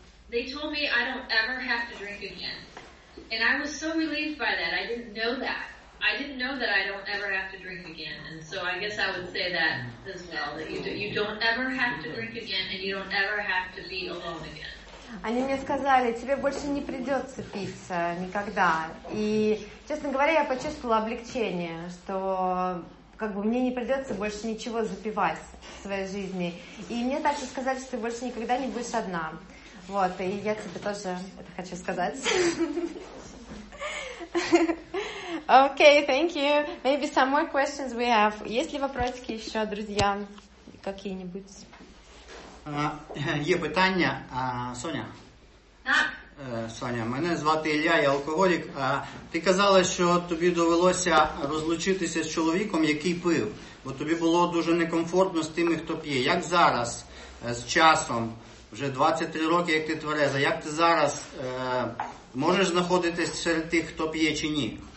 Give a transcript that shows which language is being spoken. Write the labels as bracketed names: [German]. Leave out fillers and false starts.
[English] They told me I don't ever have to drink again. And I was so relieved by that. I didn't know that. I didn't know that I don't ever have to drink again. And so I guess I would say that as well, that you don't ever have to drink again and you don't ever have to be alone again. [Russian] Они мне сказали, тебе больше не придется пить никогда. И, честно говоря, я почувствовала облегчение, что как бы мне не придется больше ничего запивать в своей жизни. И мне также сказали, что ты больше никогда не будешь одна. Вот, и я тебе тоже это хочу сказать. [English] Okay, thank you. Maybe some more questions we have. [Russian] Есть ли вопросики еще, друзья, какие-нибудь? [Ukrainian] Є питання, Соня. Так. Соня, мене звати Ілля, я алкоголік. Ти казала, що тобі довелося розлучитися з чоловіком, який пив, бо тобі було дуже некомфортно з тими, хто п'є. Як зараз, з часом, вже 23 роки, як ти твереза, як ти зараз можеш знаходитись серед тих, хто п'є чи ні?